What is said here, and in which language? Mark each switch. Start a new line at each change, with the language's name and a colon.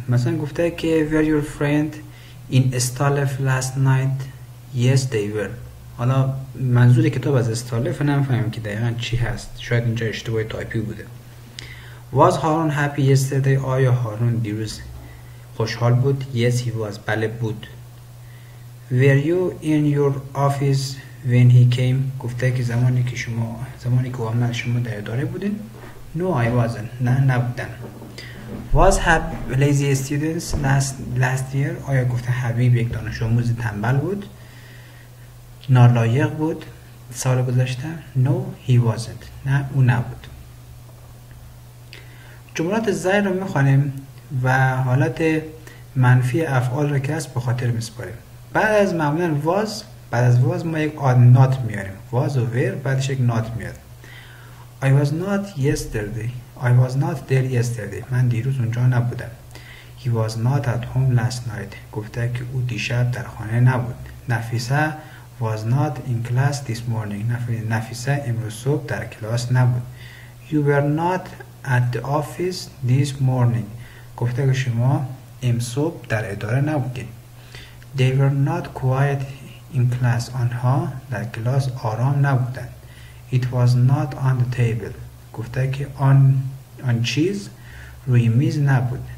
Persian: مثلا گفته که
English: Were your friend in Istalif last night? Yes, they were.
Persian: حالا منظور کتاب از استالف نمیفهمم که دقیقا چی هست. شاید اینجا اشتباه تایپی بوده.
English: Was Harun happy yesterday?
Persian: آیا هارون دیروز خوشحال بود؟
English: Yes, he was.
Persian: بله بود.
English: Were you in your office when he came?
Persian: گفته که زمانی که اومد شما در اداره بودین؟
English: No, I wasn't.
Persian: نه، نبودم.
English: Was happy lazy students last year?
Persian: آیا گفته حبیب یک دانش آموز تنبل بود؟ نالایق بود سال گذشته؟
English: No, he wasn't.
Persian: نه، او نبود. جملات زیر رو میخوانیم و حالت منفی افعال رو که هست به خاطر میسپاریم. بعد از معمولا was، بعد از was ما یک آد not میاریم. Was و were بعدش یک not میاد.
English: I was not yesterday. I was not there yesterday.
Persian: من دیروز اونجا نبودم.
English: He was not at home last night.
Persian: گفته که او دیشب در خانه نبود.
English: Nafisa was not in class this morning.
Persian: نفیسه امروز صبح در کلاس نبود.
English: You were not at the office this morning.
Persian: گفته که شما امروز صبح در اداره نبودید.
English: They were not quiet in class.
Persian: آنها در کلاس آرام نبودند.
English: It was not on the table.
Persian: گفته که آن چیز روی میز نبود.